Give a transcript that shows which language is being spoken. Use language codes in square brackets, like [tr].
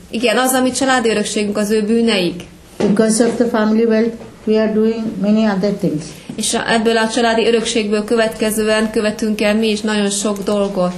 [hu] Igen, az, ami családi örökségünk, az ő bűneik. [en] Because of the family wealth, we are doing many other things. [hu] És ebből a családi örökségből következően követünk el mi is nagyon sok dolgot.